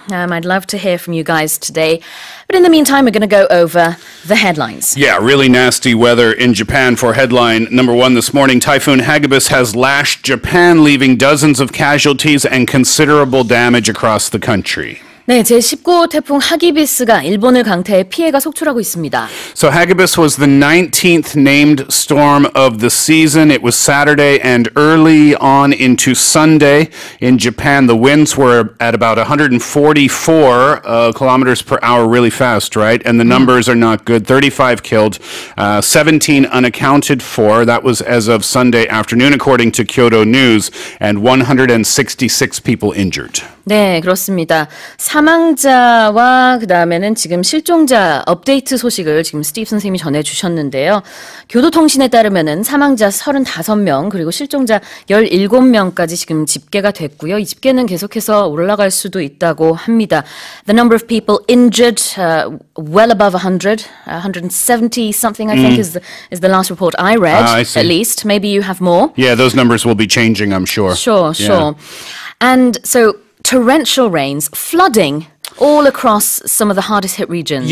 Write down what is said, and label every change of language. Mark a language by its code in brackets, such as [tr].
[en] I'd love to hear from you guys today. But in the meantime, we're going to go over the headlines. Yeah, really nasty weather in Japan for headline number one this morning. Typhoon Hagibis has lashed Japan, leaving dozens of casualties and considerable damage across the country. [ko] 네, 제19호 태풍 하기비스가 일본을 강타해 피해가 속출하고 있습니다. [en] So Hagibis was the 19th named storm of the season. It was Saturday and early on into Sunday in Japan. The winds were at about 144 kilometers per hour, really fast, right? And the numbers are not good. 35 killed, 17 unaccounted for. That was as of Sunday afternoon, according to Kyoto News, and 166 people injured. [ko] 네, 그렇습니다. 사망자와 그다음에는 지금 실종자 업데이트 소식을 지금 스티브 선생님이 전해 주셨는데요. 교도통신에 따르면은 사망자 35명 그리고 실종자 17명까지 지금 집계가 됐고요. 이 집계는 계속해서 올라갈 수도 있다고 합니다. [en] The number of people injured well above 100, 170 something I think is the last report I read. I see. At least maybe you have more. Yeah, those numbers will be changing, I'm sure. And so torrential rains, flooding all across some of the hardest hit regions.